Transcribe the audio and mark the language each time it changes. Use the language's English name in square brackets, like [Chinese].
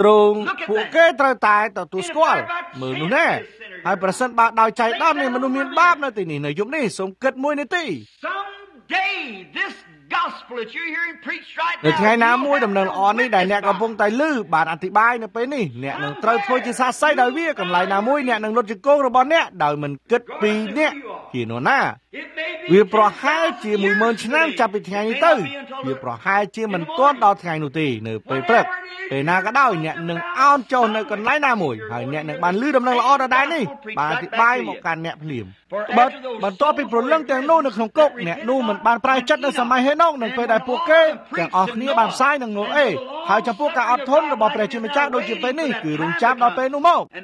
[Khmer] ទ្រង់ពួកគេត្រូវតែទទួលស្គាល់មើលនោះណែ។ហើយប្រសិនបើដោយចៃដន្យមនុស្សមានបាបនៅទីនេះនៅយប់នេះសូមគិតមួយនាទី [English] Someday this gospel that you're hearing preached right now [Khmer] នៅថ្ងៃណាមួយដំណឹងល្អនេះដែលអ្នកកំពុងតែឮបានអធិប្បាយនៅពេលនេះអ្នកនឹងត្រូវធ្វើជាសះស្បើយដោយវាកន្លែងណាមួយអ្នកនឹងលុតជង្គង់របស់អ្នកដោយមិនគិតពីអ្នកជានរណា វាប្រហែលជា 10,000 ឆ្នាំចាប់ពីថ្ងៃនេះទៅវាប្រហែលជាមិនទាន់ដល់ថ្ងៃនោះទេនៅពេលព្រឹកពេលណាក៏ដោយអ្នកនឹងអោនចុះនៅកន្លែងណាមួយហើយអ្នកនឹងបានលឺដំណឹងល្អដដែលនេះបាទអធិប្បាយមកកាន់អ្នកភ្លាមបើបន្ទាប់ពីប្រលឹងទាំងនោះនៅក្នុងគុកអ្នកនោះមិនបានប្រែចិត្តនៅសម័យហេណូកនៅពេលដែលពួកគេទាំងអស់គ្នាបានផ្សាយនឹងណូអេហើយចំពោះការអត់ធន់របស់ព្រះជាម្ចាស់ដូចជាពេលនេះគឺរងចាំដល់ពេលនោះមក